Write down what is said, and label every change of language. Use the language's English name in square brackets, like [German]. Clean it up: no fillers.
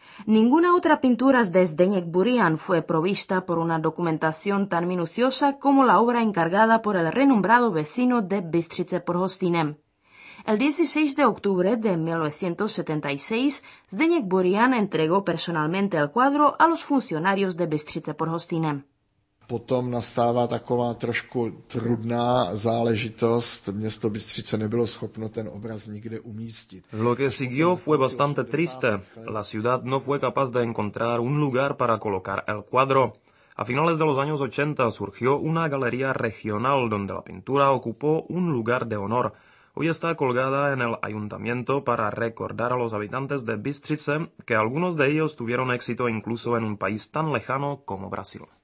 [Spanish] Ninguna otra pintura de Zdeněk Burian fue provista por una documentación tan minuciosa como la obra encargada por el renombrado vecino de Bystrice pod Hostinem. El 16 de octubre de 1976, Zdeněk Burian entregó personalmente el cuadro a los funcionarios de Bystrice pod Hostinem. [Czech] Potom nastává taková trošku trudná záležitost. Město Bystřice nebylo schopno ten obraz nikde umístit. [Spanish] Lo que siguió fue bastante triste. La ciudad no fue capaz de encontrar un lugar para colocar el cuadro. A finales de los años 80 surgió una galería regional donde la pintura ocupó un lugar de honor. Hoy está colgada en el ayuntamiento para recordar a los habitantes de Bystrice que algunos de ellos tuvieron éxito incluso en un país tan lejano como Brasil.